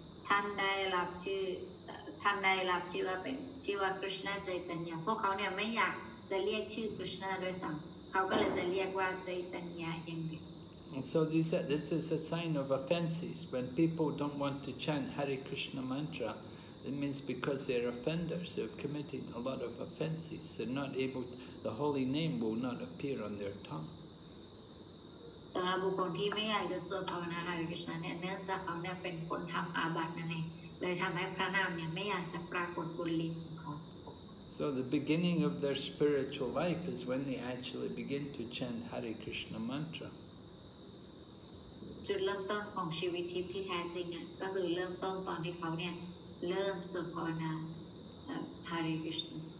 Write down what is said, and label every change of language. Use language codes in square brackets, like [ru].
[th] ท่านได้รับชื่อท่านได้รับชื่อว่าเป็นชื่อว่าคริสนาเจตัญญาพวกเขาเนี่ยไม่อยากจะเรียกชื่อคริสนาด้วยซ้ำเขาก็เลยจะเรียกว่าเจตัญญาอย่างเดียว [en] So this is a sign of offenses when people don't want to chant Hare Krishna mantra it means because they're offenders they've committed a lot of offenses they're not able to, the holy name will not appear on their tongue [th] สำหรับบุคคลที่ไม่อยากจะสวดภาวนาหริกชาเนี่ยเนื่องจากเขาเนี่ยเป็นคนทำอาบัตินั่นเองเลยทำให้พระนามเนี่ยไม่อยากจะปรากฏบนลิ้นของเขา [en] So the beginning of their spiritual life is when they actually begin to chant Hare Krishna mantra. [th] จุดเริ่มต้นของชีวิตทิพย์ที่แท้จริงอ่ะก็คือเริ่มต้นตอนที่เขาเนี่ยเริ่มสวดภาวนาHare Krishna.